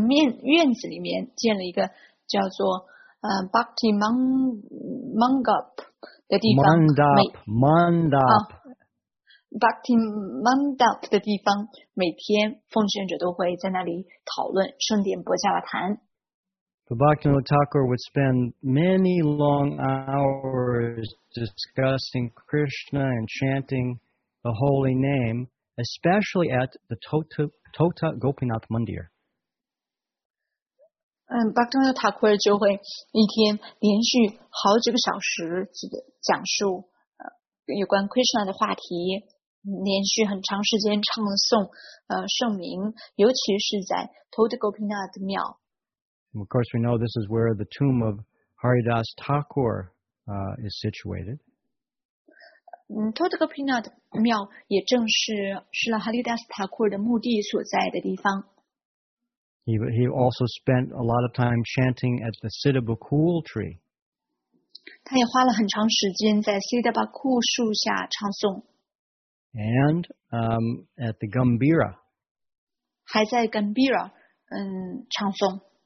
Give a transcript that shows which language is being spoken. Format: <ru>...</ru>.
<zh>他在庙宇的院子里面建了一个叫做 Bhakti Mandap 的地方。Mandap. Bhakti Mandap 的地方，每天奉献者都会在那里讨论圣殿博伽瓦坛。</zh> <en>The Bhaktivinoda Thakur would spend many long hours discussing Krishna and chanting the holy name, especially at the Tota Gopinath Mandir.</en> <zh>Bhaktivinoda Thakur 就会一天连续好几个小时讲述有关 Krishna 的话题，连续很长时间唱诵圣名，尤其是在 Tota Gopinath 庙。</zh> <en>Of course, we know this is where the tomb of Haridas Thakur is situated.</en> <zh>Tota Gopinath 庙也正是 Haridas Thakur 的墓地所在的地方。</zh> <en>He also spent a lot of time chanting at the Siddhabakul tree.</en> <zh>他也花了很长时间在Siddhabakul树下唱诵。</zh> <en>And at the Gambira.</en> <zh>还在Gambira唱诵。</zh>